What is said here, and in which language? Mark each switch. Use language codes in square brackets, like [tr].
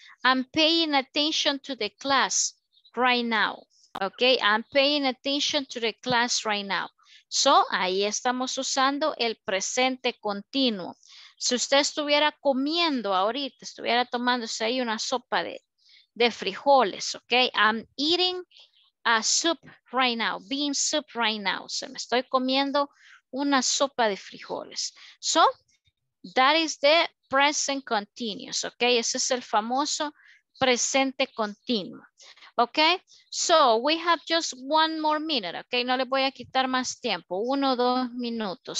[en] I'm paying attention to the class right now. Ok, I'm paying attention to the class right now. [es] So, ahí estamos usando el presente continuo. Si usted estuviera comiendo ahorita, estuviera tomándose ahí una sopa de frijoles, ok. [en] I'm eating a soup right now, bean soup right now. [es] So, me estoy comiendo una sopa de frijoles. [en] So, that is the present continuous, ok. [es] Ese es el famoso presente continuo. [en] Okay, so we have just one more minute. [es] Okay, no le voy a quitar más tiempo. Uno, dos minutos.